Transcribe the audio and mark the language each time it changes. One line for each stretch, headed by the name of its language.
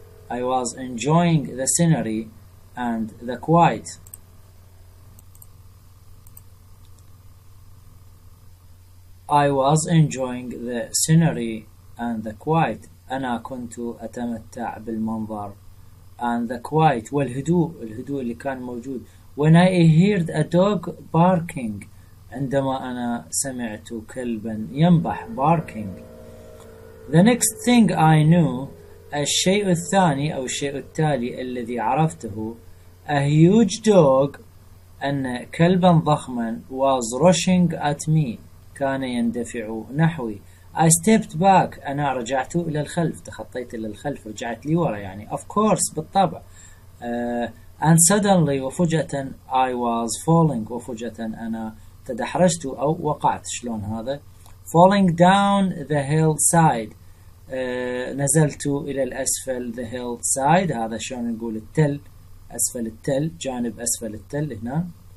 English: I was enjoying the scenery and the quiet. I was enjoying the scenery and the quiet.
Arabic: أنا كنت أتمتع بالمنظر
English: and the quiet
Arabic: والهدوء اللي كان موجود.
English: When I heard a dog barking.
Arabic: عندما أنا سمعت كلبا ينبح
English: barking The next thing I knew
Arabic: الشيء الثاني أو الشيء التالي الذي عرفته
English: A huge dog,
Arabic: أن كلبا ضخما
English: was rushing at me,
Arabic: كان يندفع نحوي.
English: I stepped back,
Arabic: أنا رجعت إلى الخلف، تخطيت إلى الخلف، رجعت لي ورا يعني.
English: Of course,
Arabic: بالطبع.
English: And suddenly,
Arabic: وفجأة,
English: I was falling,
Arabic: وفجأة أنا تدحرجت أو وقعت. شلون هذا؟
English: Falling down the hillside.
Arabic: نزلت إلى الأسفل.
English: The hillside
Arabic: هذا شلون نقول التل، أسفل التل، جانب أسفل التل هنا.